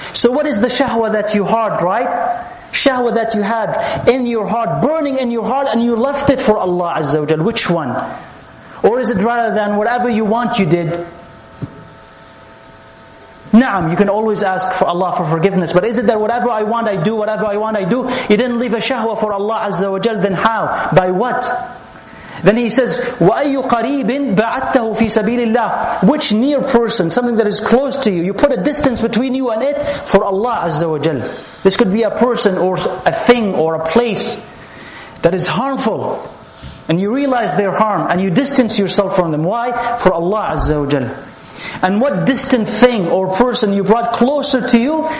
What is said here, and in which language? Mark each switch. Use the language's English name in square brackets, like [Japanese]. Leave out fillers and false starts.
[English] So what is the shahwa that you had, right? Shahwa that you had in your heart, burning in your heart, and you left it for Allah Azza wa Jal. Which one? Or is it rather than whatever you want you did? Na'am, you can always ask for Allah for forgiveness. But is it that whatever I want I do, whatever I want I do, you didn't leave a shahwa for Allah Azza wa Jal, then how? By what? Then he says, [Arabic] وَأَيُّ قَرِيبٍ بَعَدْتَهُ فِي سَبِيلِ اللَّهِ. [English] Which near person, something that is close to you, you put a distance between you and it for Allah Azza wa Jal. This could be a person or a thing or a place that is harmful. And you realize their harm and you distance yourself from them. Why? For Allah Azza wa Jal. And what distant thing or person you brought closer to you?